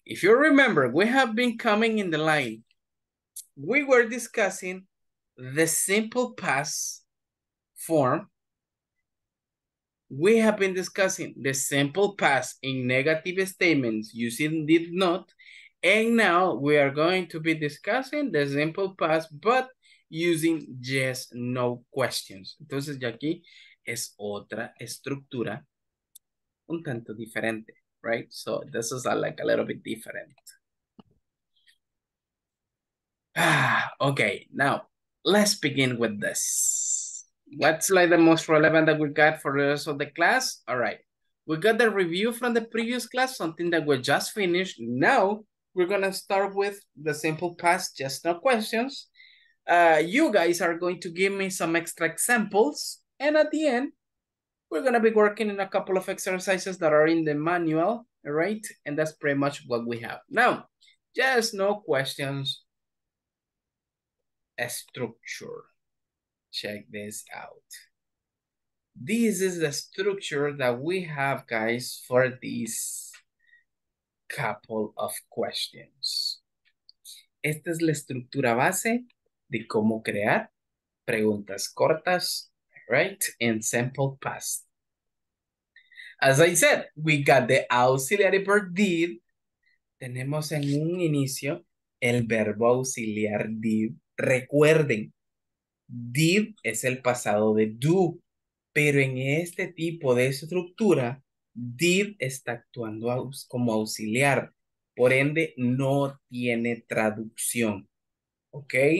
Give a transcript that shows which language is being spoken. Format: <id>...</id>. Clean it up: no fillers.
<en>If you remember, we have been coming in the line. We were discussing the simple past form. We have been discussing the simple past in negative statements using did not. And now we are going to be discussing the simple past, but using yes, no questions.</en> <es>Entonces, ya aquí es otra estructura un tanto diferente, right?</es> <en>So this is like a little bit different. Okay, now let's begin with this. What's like the most relevant that we got for the rest of the class? All right, we got the review from the previous class, something that we just finished. Now we're gonna start with the simple past, just no questions. You guys are going to give me some extra examples. And at the end, we're gonna be working in a couple of exercises that are in the manual, right? And that's pretty much what we have. Now, just no questions. A structure. Check this out. This is the structure that we have, guys, for these couple of questions.</en> <es>Esta es la estructura base de cómo crear preguntas cortas, right?</es> <en>In simple past. As I said, we got the auxiliary verb did.</en> <es>Tenemos en un inicio el verbo auxiliar did. Recuerden, did es el pasado de do, pero en este tipo de estructura, did está actuando como auxiliar, por ende no tiene traducción, ¿ok?</es>